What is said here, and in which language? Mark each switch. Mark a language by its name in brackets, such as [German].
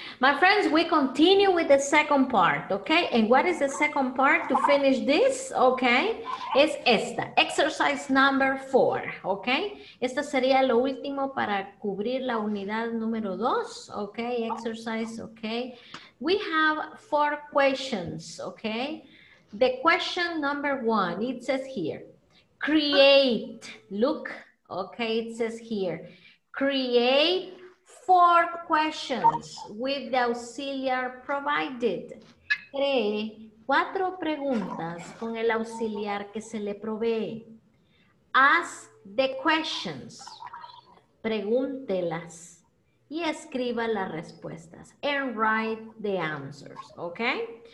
[English] My friends, we continue with the second part. Okay. And what is the second part to finish this? Okay. [Spanish] Es esta. [English] Exercise number 4. Okay. [Spanish] Esta sería lo último para cubrir la unidad número 2. [English] Okay. Exercise. Okay. We have 4 questions, okay? The question number 1, it says here, create, look, okay, it says here, create 4 questions with the auxiliar provided. [Spanish] Cree 4 preguntas con el auxiliar que se le provee. [English] Ask the questions, [Spanish] pregúntelas. Y escriba las respuestas. [English] And write the answers. Okay?